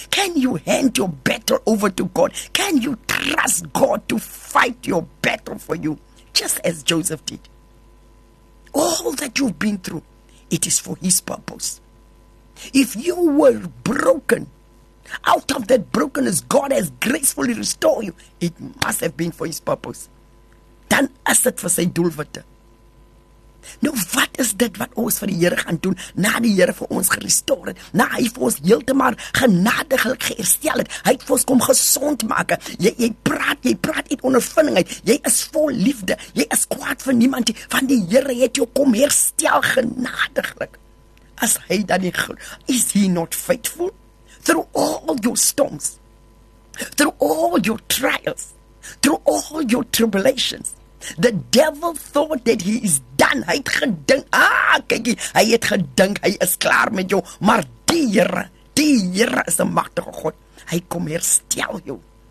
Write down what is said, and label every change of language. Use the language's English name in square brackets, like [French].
[English] Can you hand your battle over to God? Can you trust God to fight your battle for you? Just as Joseph did. All that you've been through, it is for his purpose. If you were broken, out of that brokenness, God has gracefully restored you. It must have been for His purpose. [Afrikaans] Dan is het vir sy doel wat. Nou, wat is dit wat ons vir die Here gaan doen, na die Here vir ons gerestoor het, na hy vir ons heeltemal genadiglik geherstel het, hy het vir ons kom gesond maak. Jy praat uit ondervinding uit, jy is vol liefde, jy is kwaad vir niemand, want die Here het jou kom herstel genadiglik. As hy dan nie, [English] is he not faithful? Through all your storms, through all your trials, through all your tribulations, the devil thought that he is done. [Afrikaans] Hy het gedink, kykie, hy het gedink, hy is klaar met jou. Maar die Here is 'n magtige God. Hy kom herstel jou.